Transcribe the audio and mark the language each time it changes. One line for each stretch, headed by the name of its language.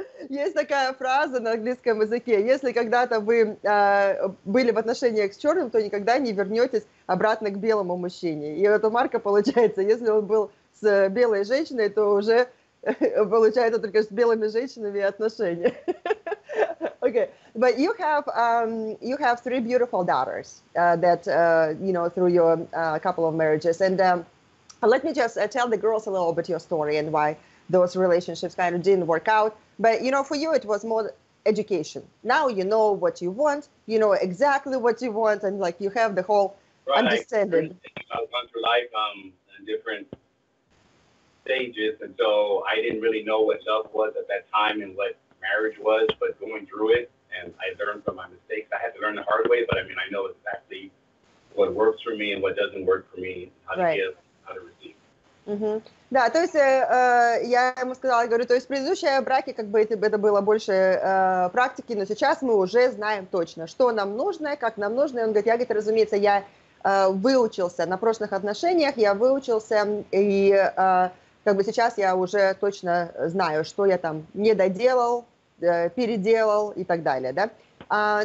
Russian: Есть такая фраза на английском языке. Если когда-то вы были в отношениях с черным, то никогда не вернетесь обратно к белому мужчине. И вот у Марка получается, если он был с белой женщиной, то уже получается только с белыми женщинами отношения.
English: Okay, but you have three beautiful daughters through your couple of marriages. And let me just tell the girls a little bit your story and why those relationships kind of didn't work out. But, you know, for you, it was more education. Now you know what you want. You know exactly what you want. And, like, you have the whole right. understanding. I've gone through life in different stages. And so I didn't really know what love was at that time and what marriage was. But going through it, and I learned from my mistakes. I had to learn the hard way. But, I mean, I know exactly what works for me and what doesn't work for me. How to right. give, how to receive.
Russian: Да, то есть я ему сказала, говорю, то есть предыдущие браки, как бы это было больше практики, но сейчас мы уже знаем точно, что нам нужно, как нам нужно. И он говорит, я, говорит, разумеется, я выучился на прошлых отношениях, я выучился, и как бы сейчас я уже точно знаю, что я там не доделал, переделал и так далее, да.